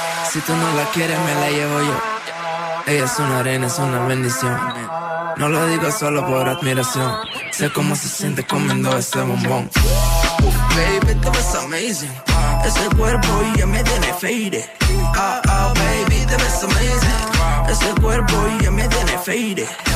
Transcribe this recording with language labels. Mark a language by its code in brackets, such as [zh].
[es] Si tú no la quieres, me la llevo yo. Ella es una reina, es una bendición. No lo digo solo por admiración. Sé cómo se siente comiendo ese bombón. [en] Oh, baby, that was amazing. [es] Ese cuerpo ya me tiene faded. [en] Oh, oh, baby, that was amazing. [es] Ese cuerpo ya me tiene faded.